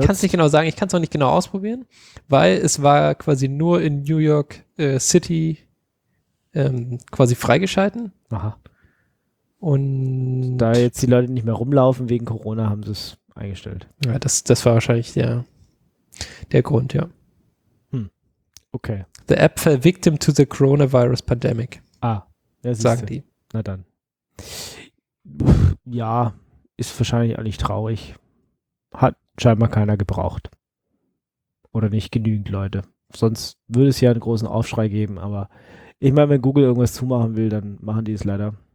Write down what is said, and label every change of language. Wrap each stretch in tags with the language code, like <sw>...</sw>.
<de>Ich kann es nicht genau sagen, ich kann es auch nicht genau ausprobieren, weil es war quasi nur in New York City quasi freigeschalten. Aha. Und da jetzt die Leute nicht mehr rumlaufen wegen Corona, haben sie es eingestellt. Ja, das war wahrscheinlich der Grund, ja. Okay.</de> <en>The app fell victim to the coronavirus pandemic.</en> <de>Ah, ja, sagen die. Na dann. Ja, ist wahrscheinlich eigentlich traurig. Hat scheinbar keiner gebraucht. Oder nicht genügend Leute. Sonst würde es ja einen großen Aufschrei geben, aber ich meine, wenn Google irgendwas zumachen will, dann machen die es leider.</de>